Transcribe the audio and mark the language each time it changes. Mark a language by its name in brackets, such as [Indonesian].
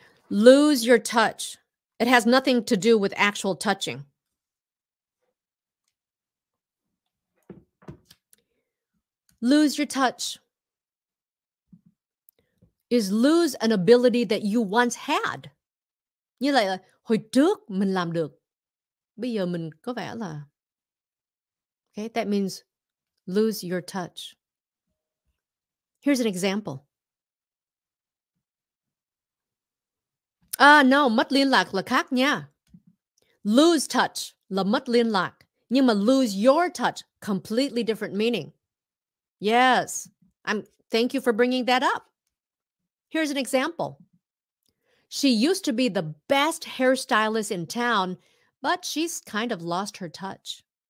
[English] Lose your touch. It has nothing to do with actual touching. Lose your touch is lose an ability that you once had. [Vietnamese] Như là hồi trước mình làm được, bây giờ mình có vẻ là. [English] Okay, that means lose your touch. Here's an example. No, [Vietnamese] mất liên lạc là khác nha. [English] Lose touch [Vietnamese] là mất liên lạc. Nhưng mà [English] lose your touch, completely different meaning. Yes, thank you for bringing that up. Here's an example. She used to be the best hairstylist in town, but she's kind of lost her touch.